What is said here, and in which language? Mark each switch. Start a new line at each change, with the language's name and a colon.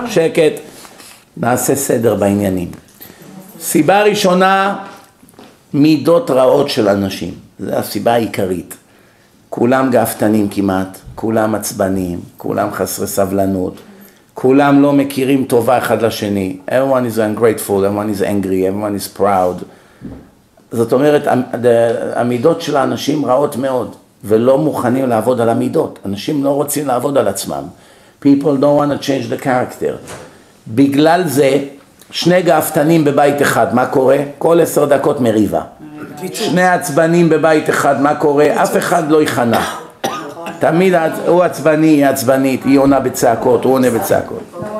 Hebrew: שקט, נעשה סדר בעניינים. סיבה ראשונה, מידות רעות של אנשים. זו הסיבה העיקרית. כולם גפתנים כמעט, כולם עצבנים, כולם חסרי סבלנות, כולם לא מכירים טובה אחד לשני.
English: Everyone is ungrateful, everyone is angry, everyone is proud.
Hebrew: זאת אומרת, המידות של האנשים רעות מאוד, ולא מוכנים לעבוד על המידות. אנשים לא רוצים לעבוד על עצמם.
English: People don't want to change the character.
Hebrew: בגלל זה, שני גפתנים בבית אחד, מה קורה? כל 10 דקות מריבה. שני עצבנים בבית אחד, מה קורה? אף אחד לא יחנה. תמיד הוא עצבני, היא עצבנית, היא עונה בצעקות, הוא עונה בצעקות.